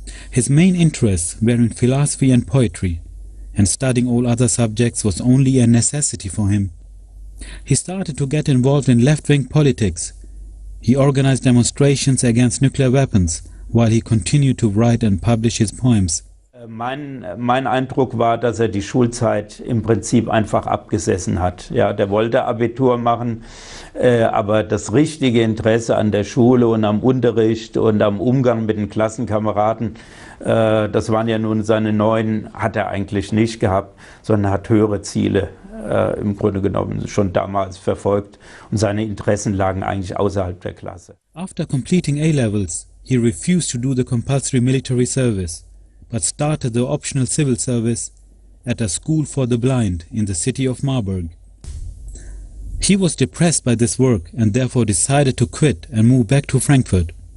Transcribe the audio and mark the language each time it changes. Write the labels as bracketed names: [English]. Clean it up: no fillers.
[English] His main interests were in philosophy and poetry, and studying all other subjects was only a necessity for him. He started to get involved in left-wing politics. He organized demonstrations against nuclear weapons while he continued to write and publish his poems. [German] Mein Eindruck war, dass die Schulzeit im Prinzip einfach abgesessen hat. Ja, wollte Abitur machen, aber das richtige Interesse an der Schule und am Unterricht und am Umgang mit den Klassenkameraden, das waren ja nun seine neuen, hat eigentlich nicht gehabt, sondern hat höhere Ziele im Grunde genommen schon damals verfolgt und seine Interessen lagen eigentlich außerhalb der Klasse. [English] After completing A-Levels, he refused to do the compulsory military service, but started the optional civil service at a school for the blind in the city of Marburg. He was depressed by this work and therefore decided to quit and move back to Frankfurt.